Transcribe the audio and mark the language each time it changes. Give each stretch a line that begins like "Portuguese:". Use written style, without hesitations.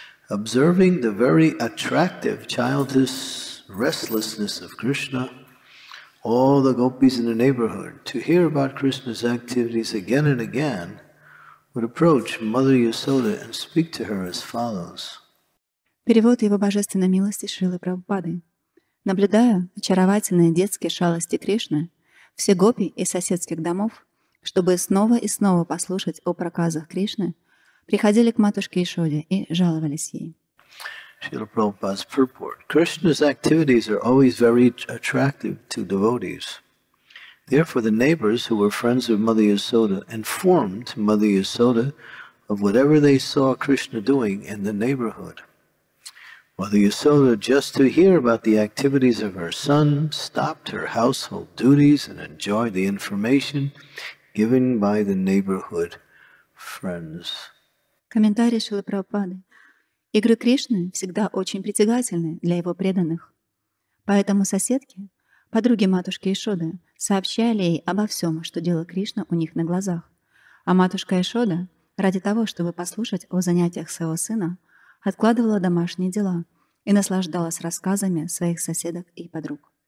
English: Observing the very attractive childish restlessness of Krishna, all the gopis in the neighborhood, to hear about Krishna's activities again and again, would approach Mother Yasoda and speak to her as follows.
Russian: Перевод Его Божественной Милости Шрилы Прабхупады. Наблюдая очаровательные детские шалости Кришны, все гопи из соседских домов, чтобы снова и снова послушать о проказах Кришны, приходили к матушке Ишоде и жаловались ей.
English: Srila Prabhupada's purport. Krishna's activities are always very attractive to devotees. Therefore, the neighbors who were friends of Mother Yasoda informed Mother Yasoda of whatever they saw Krishna doing in the neighborhood. Mother Yasoda, just to hear about the activities of her son, stopped her household duties and enjoyed the information given by the neighborhood friends.
Russian: Комментарий Шрилы Прабхупады. Игры Кришны всегда очень притягательны для его преданных. Поэтому соседки, подруги матушки Ишоды, сообщали ей обо всем, что делала Кришна у них на глазах. А матушка Ишода, ради того, чтобы послушать о занятиях своего сына, откладывала домашние дела и наслаждалась рассказами своих соседок и подруг.